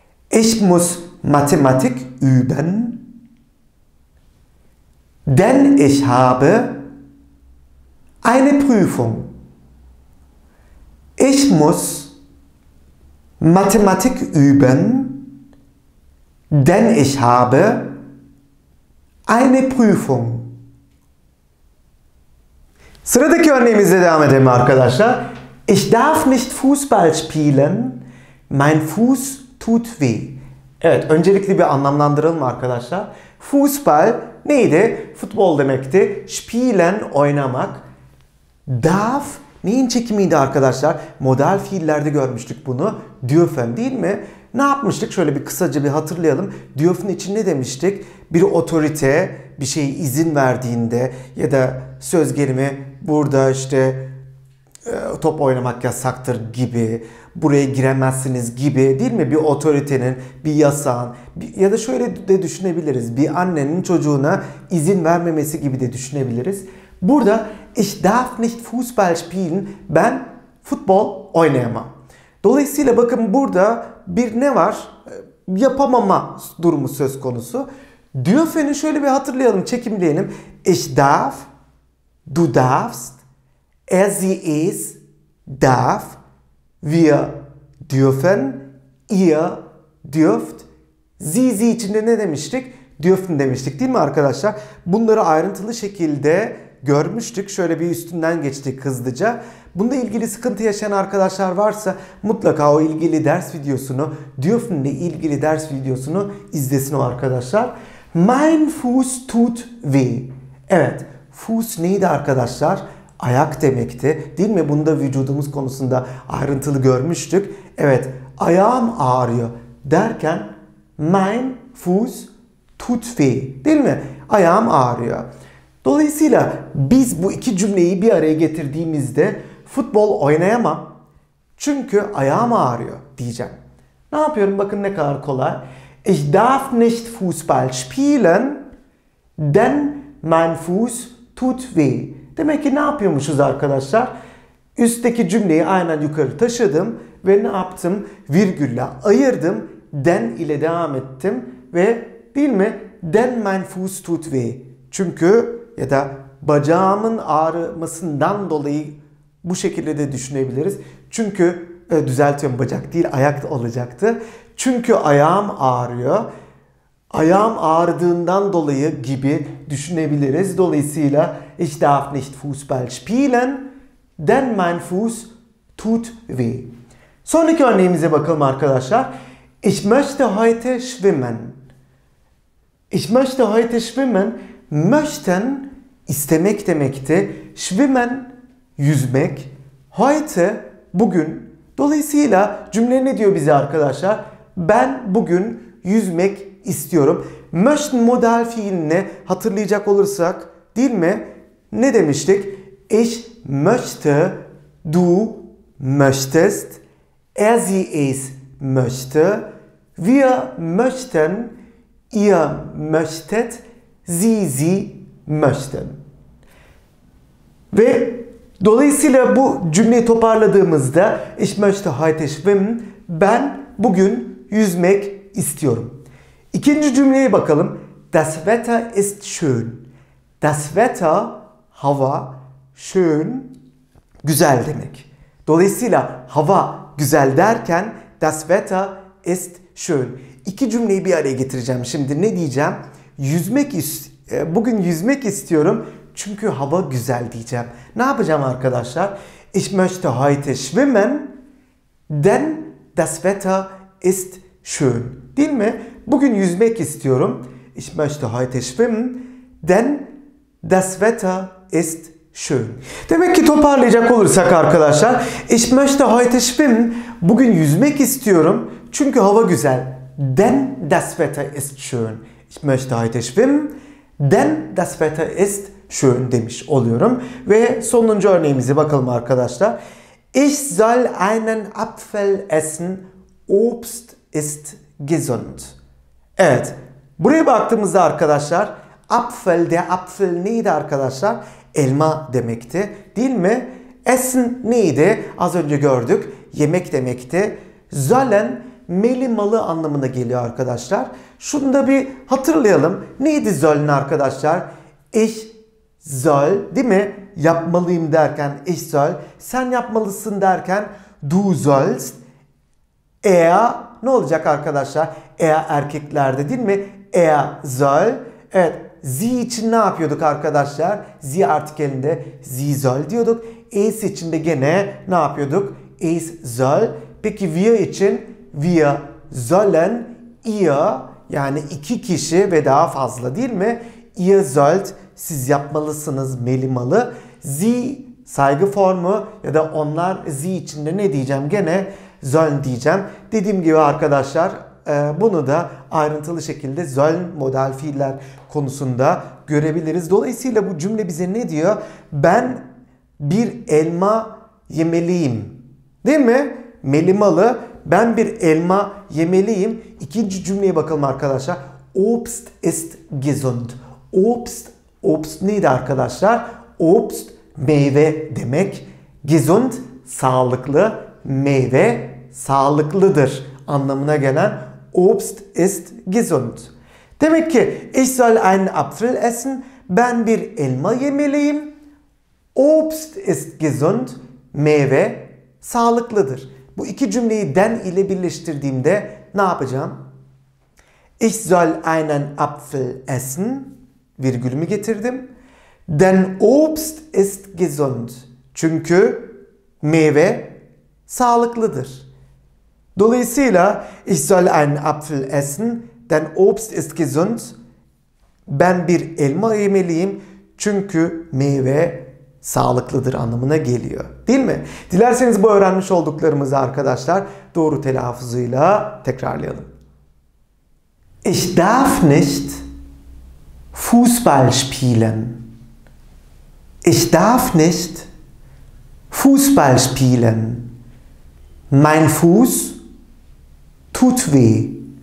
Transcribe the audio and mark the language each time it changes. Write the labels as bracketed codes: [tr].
[de] Ich muss Mathematik üben, denn ich habe eine Prüfung. Ich muss Mathematik üben, denn ich habe eine Prüfung. [tr] Sıradaki örneğimizle devam edelim arkadaşlar. [de] Ich darf nicht Fußball spielen. Mein Fuß tut weh. [tr] Evet, öncelikli bir anlamlandıralım arkadaşlar. Fußball neydi? Futbol demekti. Spielen, oynamak. Darf neyin çekimiydi arkadaşlar? Modal fiillerde görmüştük bunu. Dürfen, değil mi? Ne yapmıştık? Şöyle bir kısaca bir hatırlayalım. Dürfen için ne demiştik? Bir otorite bir şeye izin verdiğinde ya da söz gelimi burada işte top oynamak yasaktır gibi, buraya giremezsiniz gibi, değil mi? Bir otoritenin, bir yasağın ya da şöyle de düşünebiliriz. Bir annenin çocuğuna izin vermemesi gibi de düşünebiliriz. Burada [de] ich darf nicht Fußball spielen. [tr] Ben futbol oynayamam. Dolayısıyla bakın burada bir ne var? Yapamama durumu söz konusu. Dürfen'i şöyle bir hatırlayalım, çekimleyelim. [de] Ich darf, du darfst, er, sie, es, darf, wir dürfen, ihr dürft, sie, sie [tr] içinde ne demiştik? Dürfen demiştik, değil mi arkadaşlar? Bunları ayrıntılı şekilde görmüştük. Şöyle bir üstünden geçtik hızlıca. Bununla ilgili sıkıntı yaşayan arkadaşlar varsa mutlaka o ilgili ders videosunu, dürfen ile ilgili ders videosunu izlesin o arkadaşlar. [de] Mein Fuß tut weh. [tr] Evet, Fuß neydi arkadaşlar? Ayak demekti, değil mi? Bunu da vücudumuz konusunda ayrıntılı görmüştük. Evet, ayağım ağrıyor derken [de] mein Fuß tut weh, [tr] değil mi? Ayağım ağrıyor. Dolayısıyla biz bu iki cümleyi bir araya getirdiğimizde futbol oynayamam çünkü ayağım ağrıyor diyeceğim. Ne yapıyorum? Bakın ne kadar kolay. [de] Ich darf nicht Fußball spielen, denn mein Fuß tut weh. [tr] Demek ki ne yapıyormuşuz arkadaşlar? Üstteki cümleyi aynen yukarı taşıdım ve ne yaptım? Virgülle ayırdım, den ile devam ettim ve değil mi? [de] Denn mein Fuß tut weh. [tr] Çünkü ya da bacağımın ağrımasından dolayı bu şekilde de düşünebiliriz. Çünkü düzeltiyorum, bacak değil ayak olacaktı. Çünkü ayağım ağrıyor. Ayağım ağrıdığından dolayı gibi düşünebiliriz. Dolayısıyla [de] ich darf nicht Fußball spielen, denn mein Fuß tut weh. [tr] Sonraki örneğimize bakalım arkadaşlar. [de] Ich möchte heute schwimmen. Ich möchte heute schwimmen. [tr] Möchten istemek demekti. Schwimmen yüzmek. Heute bugün. Dolayısıyla cümle ne diyor bize arkadaşlar? Ben bugün yüzmek istiyorum. Möchten modal fiilini hatırlayacak olursak, değil mi? Ne demiştik? [de] Ich möchte, du möchtest, er, sie, es möchte, wir möchten, ihr möchtet, sie, sie möchten. [tr] Ve dolayısıyla bu cümleyi toparladığımızda [de] ich möchte heute schwimmen, [tr] ben bugün yüzmek istiyorum. İkinci cümleye bakalım. [de] Das Wetter ist schön. [tr] Das Wetter, hava, schön, güzel demek. Dolayısıyla hava güzel derken [de] das Wetter ist schön. [tr] İki cümleyi bir araya getireceğim. Şimdi ne diyeceğim? Yüzmek Bugün yüzmek istiyorum çünkü hava güzel diyeceğim. Ne yapacağım arkadaşlar? [de] Ich möchte heute schwimmen, denn das Wetter ist schön. [tr] Değil mi? Bugün yüzmek istiyorum. [de] Ich möchte heute schwimmen, denn das Wetter ist schön. [tr] Demek ki toparlayacak olursak arkadaşlar, [de] Ich möchte heute schwimmen, [tr] bugün yüzmek istiyorum çünkü hava güzel. [de] Denn das Wetter ist schön. Ich möchte heute schwimmen, denn das Wetter ist schön [tr] demiş oluyorum. Ve sonuncu örneğimize bakalım arkadaşlar. [de] Ich soll einen Apfel essen. Obst ist gesund. Evet. [tr] Buraya baktığımızda arkadaşlar, Apfel, der Apfel neydi arkadaşlar? Elma demekti. Değil mi? Essen neydi? Az önce gördük. Yemek demekti. Sollen meli malı anlamına geliyor arkadaşlar. Şunu da bir hatırlayalım. Neydi sollen arkadaşlar? [de] Ich soll, [tr] değil mi? Yapmalıyım derken [de] ich soll. [tr] Sen yapmalısın derken [de] du sollst. [tr] Er, ne olacak arkadaşlar? Er erkeklerde, değil mi? [de] Er soll. [tr] Evet. Sie için ne yapıyorduk arkadaşlar? Sie artikelinde [de] sie soll [tr] diyorduk. Es için de gene ne yapıyorduk? [de] Es soll. [tr] Peki wir için? [de] Wir sollen, [tr] ihr, yani iki kişi ve daha fazla, değil mi? [de] Ihr sollt, [tr] siz yapmalısınız, melimalı. Sie, saygı formu ya da onlar, sie içinde ne diyeceğim? Gene sollen diyeceğim. Dediğim gibi arkadaşlar, bunu da ayrıntılı şekilde sollen modal fiiller konusunda görebiliriz. Dolayısıyla bu cümle bize ne diyor? Ben bir elma yemeliyim. Değil mi? Melimalı. Ben bir elma yemeliyim. İkinci cümleye bakalım arkadaşlar. [de] Obst ist gesund. [tr] Obst, obst neydi arkadaşlar? Obst, meyve demek. Gesund, sağlıklı. Meyve, sağlıklıdır anlamına gelen. [de] Obst ist gesund. [tr] Demek ki [de] ich soll einen Apfel essen. [tr] Ben bir elma yemeliyim. [de] Obst ist gesund. [tr] Meyve, sağlıklıdır. Bu iki cümleyi den ile birleştirdiğimde ne yapacağım? [de] Ich soll einen Apfel essen. [tr] Virgülümü getirdim. [de] Denn Obst ist gesund. [tr] Çünkü meyve sağlıklıdır. Dolayısıyla [de] ich soll einen Apfel essen. Denn Obst ist gesund. [tr] Ben bir elma yemeliyim. Çünkü meyve sağlıklıdır anlamına geliyor. Değil mi? Dilerseniz bu öğrenmiş olduklarımızı arkadaşlar doğru telaffuzuyla tekrarlayalım. [de] Ich darf nicht Fußball spielen. Ich darf nicht Fußball spielen. Mein Fuß tut weh.